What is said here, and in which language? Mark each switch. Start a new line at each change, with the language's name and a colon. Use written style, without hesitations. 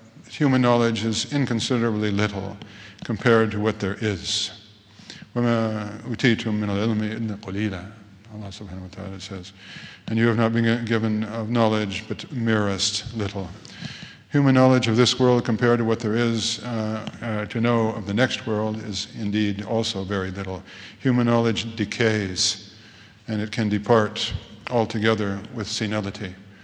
English: Human knowledge is inconsiderably little compared to what there is.
Arabic: وَمَا أُوتِيتُم مِّنَ الْعِلْمِ إِلَّا قَلِيلًا,
English: Allah subhanahu wa ta'ala says. And you have not been given of knowledge but merest little. Human knowledge of this world compared to what there is to know of the next world is indeed also very little. Human knowledge decays, and it can depart altogether with senility.